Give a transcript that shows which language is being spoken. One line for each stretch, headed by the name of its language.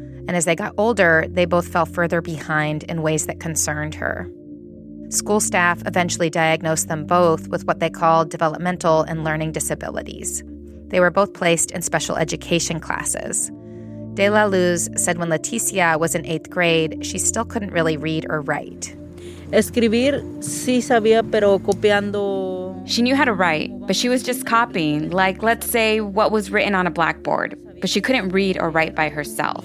English: And as they got older, they both fell further behind in ways that concerned her. School staff eventually diagnosed them both with what they called developmental and learning disabilities. They were both placed in special education classes. De La Luz said when Leticia was in eighth grade, she still couldn't really read or write.
Spanish: Escribir, sí sabía, pero copiando.
English: She knew how to write, but she was just copying, like, let's say, what was written on a blackboard. But she couldn't read or write by herself.